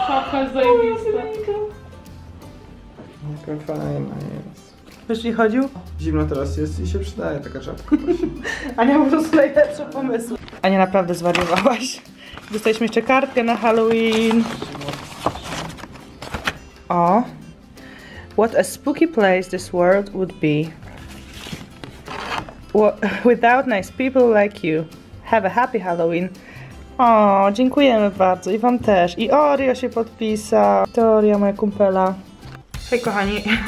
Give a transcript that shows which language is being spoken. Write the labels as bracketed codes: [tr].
[pl] Papa, zajebiste. Jaka fajna jest. Wiesz, nie chodził? Zimno teraz jest i się przydaje taka czapka. Ania po prostu najlepsze pomysły. Ania, naprawdę zwariowałaś. Dostaliśmy jeszcze kartkę na Halloween. [en] O, what a spooky place this world would be without nice people like you. Have a happy Halloween. [pl] O, dziękujemy bardzo i wam też. I Oreo się podpisał. Teoria, moja kumpela. Hej kochani.